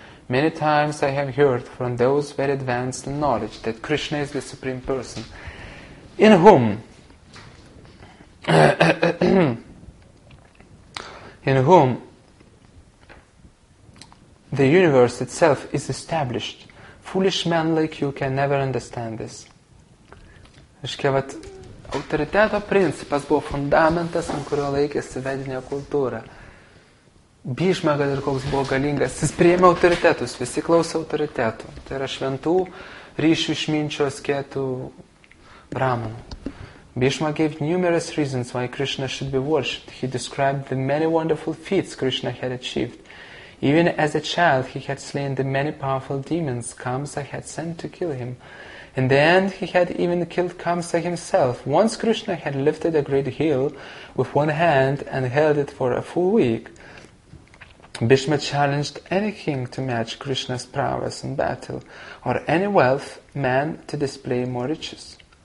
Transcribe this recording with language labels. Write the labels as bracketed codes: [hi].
[en] Many times I have heard from those very advanced in knowledge that Krishna is the supreme person." In whom? In whom the universe itself is established. Foolish men like you can never understand this. [lt] Reiškia, vat, Autoriteto principas buvo fundamentas, ant kurio laikėsi vedinė kultūra. Bhishma, kad ir koks buvo galingas, jis priėmė autoritetus, visi klausė autoritetų. Tai yra šventų ryšių išminčių asketų brahmanų. [en] Bhishma gave numerous reasons why Krishna should be worshipped. He described the many wonderful feats Krishna had achieved. Even as a child, he had slain the many powerful demons Kamsa had sent to kill him. In the end, he had even killed Kamsa himself. Once Krishna had lifted a great hill with one hand and held it for a full week, Bhishma challenged any king to match Krishna's prowess in battle, or any wealth man to display more riches.